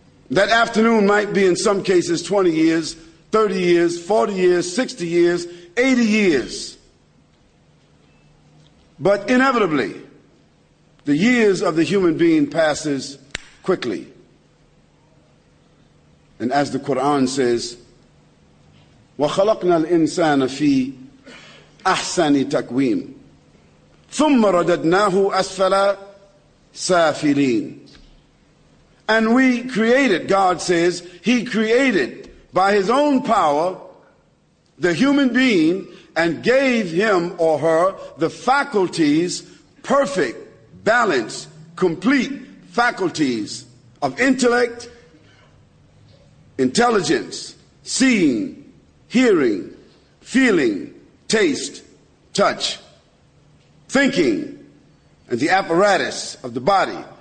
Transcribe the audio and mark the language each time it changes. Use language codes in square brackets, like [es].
[en] That afternoon might be, in some cases, 20 years, 30 years, 40 years, 60 years, 80 years. But inevitably, the years of the human being passes quickly. And as the Quran says, [ar] وَخَلَقْنَا الْإِنسَانَ فِي أَحْسَنِ تَكْوِيمٍ ثُمَّ رَدَدْنَاهُ أَسْفَلَ سَافِلِينَ. [en] And we created, God says, He created by His own power the human being and gave him or her the faculties, perfect, balanced, complete faculties of intellect, intelligence, seeing, hearing, feeling, taste, touch, thinking, and the apparatus of the body.